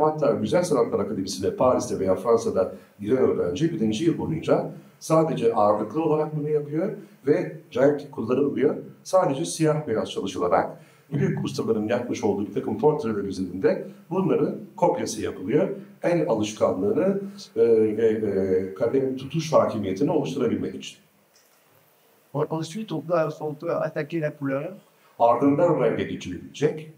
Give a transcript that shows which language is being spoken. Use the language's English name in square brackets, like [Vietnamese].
[Turkish] Hatta Güzel Sanatlar Akademisi'nde Paris'te veya Fransa'da giren öğrenci birinci yıl boyunca sadece ağırlıklı olarak bunu yapıyor ve cahit kullanılmıyor. Sadece siyah beyaz çalışılarak büyük ustaların yapmış olduğu bir takım portreler üzerinde bunların kopyası yapılıyor. En alışkanlığını ve kalem tutuş hakimiyetini oluşturabilmek için. [French] Ensuite, on doit surtout attaquer la couleur. [Turkish] Ardından renge geçilecek.